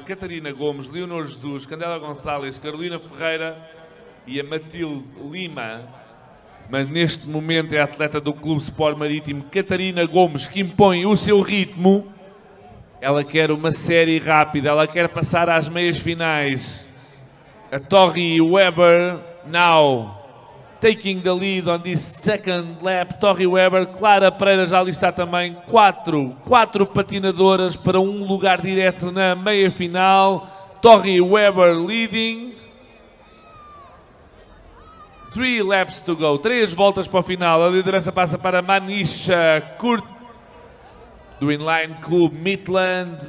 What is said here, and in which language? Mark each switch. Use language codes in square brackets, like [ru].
[pt] Catarina Gomes, Leonor Jesus, Candela Gonçalves, Carolina Ferreira e a Matilde Lima. Mas neste momento é a atleta do Clube Sport Marítimo, Catarina Gomes, que impõe o seu ritmo. Ela quer uma série rápida, ela quer passar às meias finais. [en] A Torri Weber, now, taking the lead on this second lap. [pt] Torri Weber, Clara Pereira já ali está também. Quatro patinadoras para um lugar direto na meia final. [en] Torri Weber leading. 3 laps to go, [pt] 3 voltas para o final. A liderança passa para Manisha Kurt do Inline Club Midland.